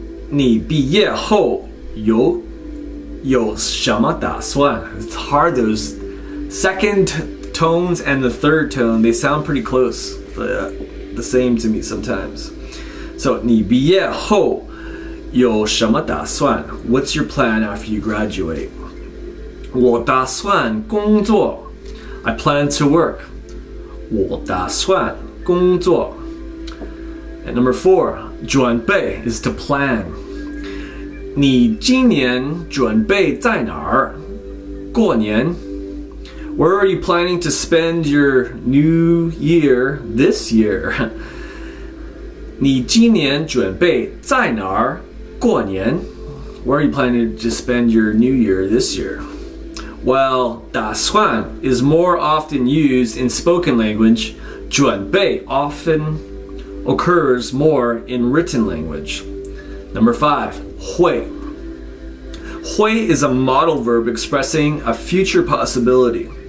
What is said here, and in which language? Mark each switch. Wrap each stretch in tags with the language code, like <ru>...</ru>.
<zh>你毕业后有, 有什么打算?</zh> <en>It's hard, those second tones and the third tone, they sound pretty close, the same to me sometimes.</en> <zh>So, 你毕业后有什么打算?</zh> <en>What's your plan after you graduate?</en> <zh>我打算工作。</zh> <en>I plan to work.</en> <zh>我打算工作。</zh> <en>And number four, 准备 is to plan.</en> <zh>你今年准备在哪儿?过年。</zh> <en>Where are you planning to spend your new year this year?</en> <zh>你今年准备在哪儿过年?</zh> <en>Where are you planning to spend your new year this year? Well, 打算 is more often used in spoken language. 准备 often occurs more in written language. Number five, 会.会 is a modal verb expressing a future possibility.</en>